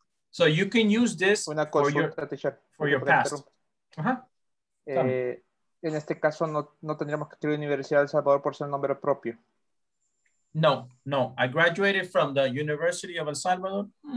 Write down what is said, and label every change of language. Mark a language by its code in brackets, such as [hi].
[en] So you can use this for your past. [es] En este caso, no tendríamos que escribir Universidad de El Salvador por ser nombre propio. No. [en] I graduated from the University of El Salvador.